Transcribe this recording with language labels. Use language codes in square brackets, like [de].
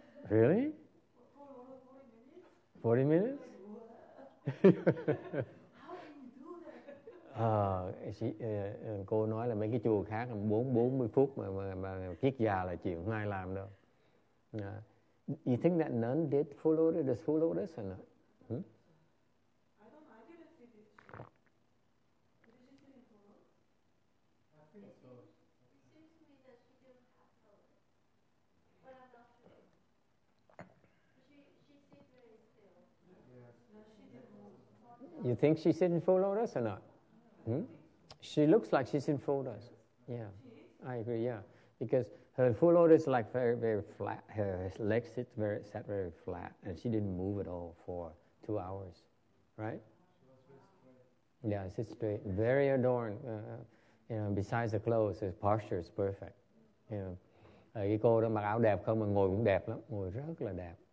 [en] Really? 40 minutes? How can you do that? [vi] Cô nói là mấy cái chùa khác 40 phút mà kiết già là chịu, không ai làm đâu. [en] You think that nun did follow the Lotus or not? I didn't see You think she's in full lotus or not? Hmm? She looks like she's in full lotus. Yeah, I agree, yeah. Because her full lotus is like very, very flat. Her legs sit very, sat very flat, and she didn't move at all for 2 hours, right? Yeah, sit straight, very adorned. You know, besides the clothes, her posture is perfect. You know, [vi] cái cô đó mặc áo đẹp không mà ngồi cũng đẹp lắm, ngồi rất là đẹp.